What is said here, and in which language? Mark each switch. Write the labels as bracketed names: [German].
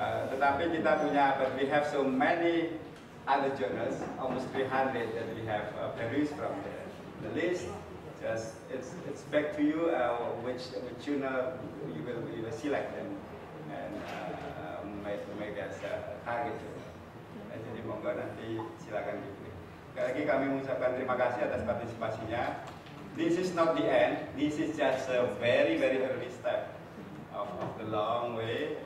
[Indonesian] Tetapi kita punya, [English] but we have so many other journals, almost 300 that we have produced from the list. Just it's back to you, which journal you will select them and make as a target. [Indonesian] Jadi monggo nanti silakan dipilih. Sekali lagi kami mengucapkan terima kasih atas partisipasinya. [English] This is not the end. This is just a very very early step of the long way.